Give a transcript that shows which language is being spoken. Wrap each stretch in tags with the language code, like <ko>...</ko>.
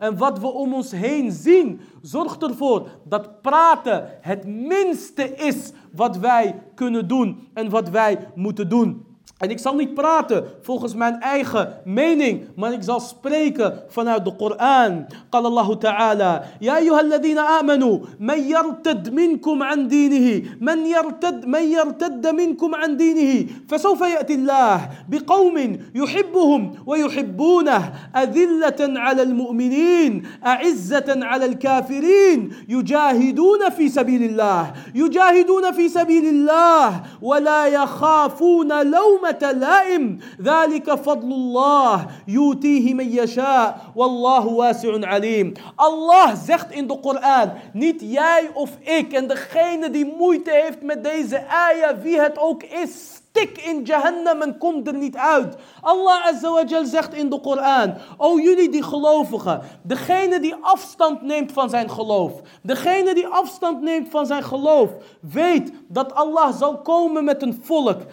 <nl>En wat we om ons heen zien, zorgt ervoor dat praten het minste is wat wij kunnen doen en wat wij moeten doen. En ik zal niet praten volgens mijn eigen mening, maar ik zal spreken vanuit de Koran.</nl> <ar>قال الله تعالى: يا أيها الذين آمنوا من يرتد منكم عن دينه من يرتد منكم عن دينه فسوف يأتي الله بقوم يحبهم ويحبونه أذلة على المؤمنين أعزة على الكافرين يجاهدون في سبيل الله ولا يخافون لومة لائم ذلك فضل الله يؤتيه من يشاء والله واسع عليم.</ar> <nl>Allah zegt in de Koran, niet jij of ik en degene die moeite heeft met deze aya, wie het ook is, stik in Jahannam en kom er niet uit. Allah Azza wa Jal zegt in de Koran, o jullie die gelovigen, degene die afstand neemt van zijn geloof, degene die afstand neemt van zijn geloof, weet dat Allah zal komen met een volk.</nl>